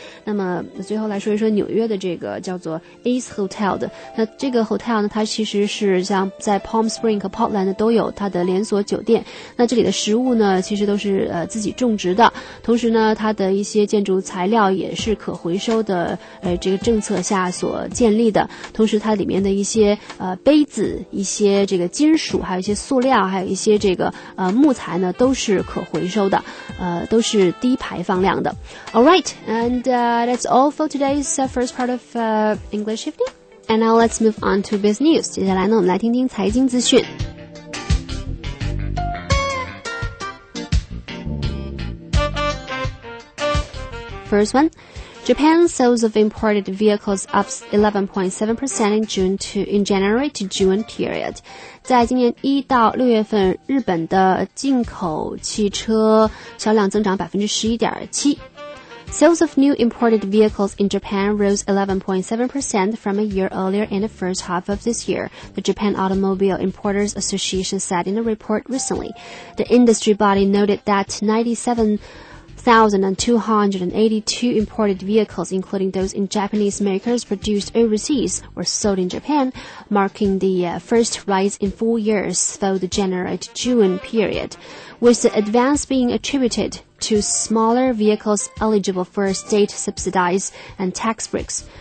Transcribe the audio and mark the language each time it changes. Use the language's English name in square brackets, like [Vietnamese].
[Chinese] 那么最后来说一说纽约的这个叫做 Ace Hotel 的，那这个 hotel 呢它其实是像在 Palm Springs 和 Portland 都有它的连锁酒店，那这里的食物呢其实都是自己种植的，同时呢它的一些建筑材料也是可回收的这个政策下所建立的，同时它里面的一些杯子，一些这个金属，还有一些塑料，还有一些这个木材呢都是可回收的，都是低排放量的。 [English] Alright, andthat's all for today's first part of English Evening. And now let's move on to Biz News. [Chinese] 接下来呢我们来听听财经资讯。 [English] First one, Japan sales of imported vehicles up 11.7% in January to June period. [Chinese] 在今年一到六月份，日本的进口汽车销量增长 11.7%。 [English] Sales of new imported vehicles in Japan rose 11.7% from a year earlier in the first half of this year, the Japan Automobile Importers Association said in a report recently. The industry body noted that 97,282 imported vehicles, including those in Japanese makers produced overseas, were sold in Japan, marking the first rise in 4 years for the January to June period, with the advance being attributed to smaller vehicles eligible for state subsidies and tax breaks.